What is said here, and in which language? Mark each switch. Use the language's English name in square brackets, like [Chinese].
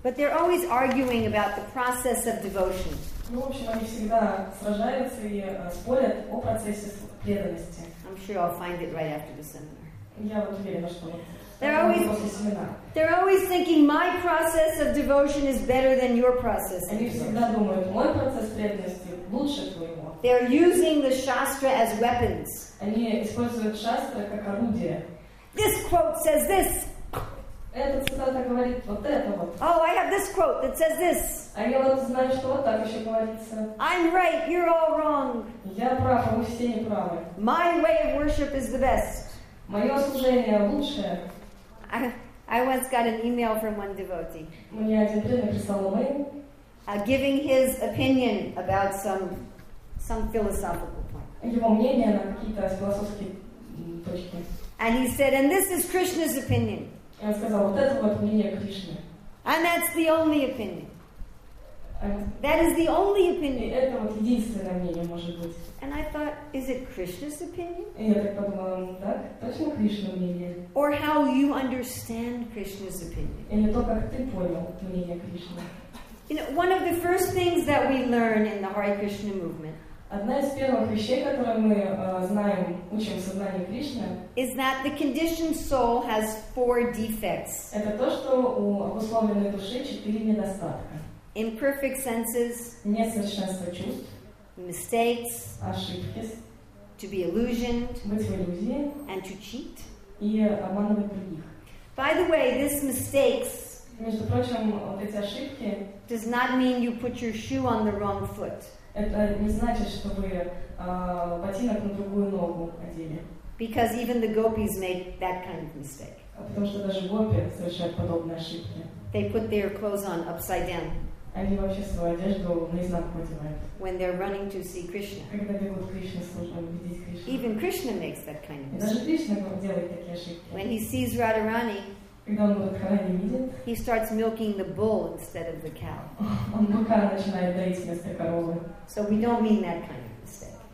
[English] But they're always arguing about the process of devotion. [Russian] Ну, в общем, они всегда сражаются и спорят о процессе преданности. [English] I'm sure I'll find it right after the seminar. [Russian] Я вот уверена, что после семинара. [English] They're always thinking my process of devotion is better than your process. [Russian] Они всегда думают, мой процесс преданности лучше твоего. [English] They're using the shastra as weapons. [Russian] Они используют шастру как орудие. [English] This quote says this. [Russian] Эта цитата говорит вот это вот. [English] Oh, I have this quote that says this. [Russian] А я вот знаю, что вот так еще говорится. [English] I'm right, you're all wrong. [Russian] Я прав, а вы все не правы. [English] My way of worship is the best. [Russian] Мое служение лучшее. [English] I once got an email from one devotee. [Russian] Мне один преданный прислал email. [English] Giving his opinion about some philosophical point. [Russian] Его мнение на какие-то философские точки. [English] And he said, and this is Krishna's opinion. [Russian] Я сказала, вот это вот мнение Кришны. [English] And that's the only opinion. That is the only opinion. [Russian] И это вот единственное мнение может быть. [English] And I thought, is it Krishna's opinion? [Russian] И я так подумала, ну так, точно Кришна мнение. [English] Or how you understand Krishna's opinion. [Russian] Или то, как ты понял мнение Кришны. [English] You know, one of the first things that we learn in the Hare Krishna movement. [Russian] Одна из первых вещей, которые мы знаем, учим в сознании Кришны, [English] is that the conditioned soul has four defects. [Russian] Это то, что у обусловленной души четыре недостатка. [English] Imperfect senses. [Russian] Несовершенство чувств. [English] Mistakes. [Russian] Ошибки. [English] To be illusioned. [Russian] Быть в иллюзии. [English] And to cheat. [Russian] И обманывать других. [English] By the way, this mistakes. [Russian] Между прочим, вот эти ошибки. [English] Does not mean you put your shoe on the wrong foot. [Russian] Это не значит, что вы ботинок на другую ногу одели. [English] Because even the gopis make that kind of mistake. [Russian] Потому что даже гопи совершают подобные ошибки. [English] They put their clothes on upside down. [Russian] Они вообще свою одежду наизнанку одевают. [English] When they're running to see Krishna. [Russian] Когда бегут к Кришне, чтобы увидеть Кришну. [English] Even Krishna makes that kind of mistake. [Russian] Даже Кришна делает такие ошибки. [English] When he sees Radharani. [Russian] Когда он Радхарани видит. [English] He starts milking the bull instead of the cow. [Russian] Он быка начинает доить вместо коровы. [English] So we don't mean that kind of mistake.